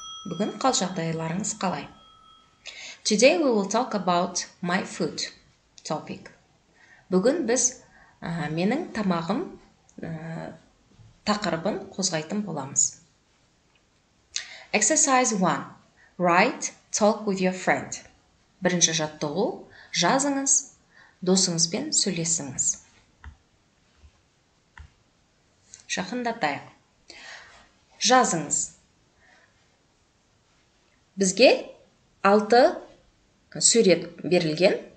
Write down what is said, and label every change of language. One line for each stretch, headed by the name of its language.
Kazakh: Бүгін қал жағдайларыңыз қалай?
English: Today we will talk about my food topic.
Kazakh: Бүгін біз менің тамағым тақырыбын қозғайтын боламыз.
English: Exercise 1. Write, talk with your friend.
Kazakh: Бірінші жаттығу. Жазыңыз, досыңызбен сөйлесіңіз. Жақындатайық. Жазыңыз. Бізге 6 сурет берілген.